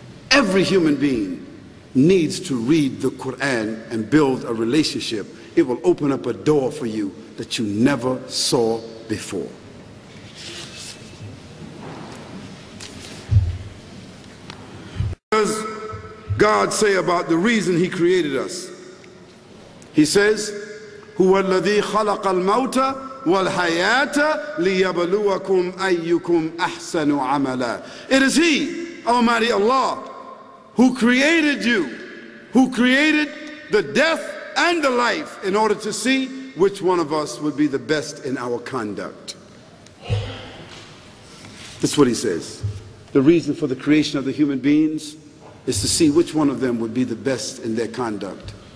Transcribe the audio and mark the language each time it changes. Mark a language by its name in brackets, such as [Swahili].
[English] Every human being needs to read the Quran and build a relationship. It will open up a door for you that you never saw before. What does God say about the reason he created us? He says, [Arabic] هُوَ الَّذِي خَلَقَ الْمَوْتَ وَالْحَيَاةَ لِيَبْلُوَكُمْ أَيُّكُمْ أَحْسَنُ عَمَلًا. [English] It is he, Almighty Allah, who created you, who created the death and the life, in order to see which one of us would be the best in our conduct. That's what he says. The reason for the creation of the human beings is to see which one of them would be the best in their conduct.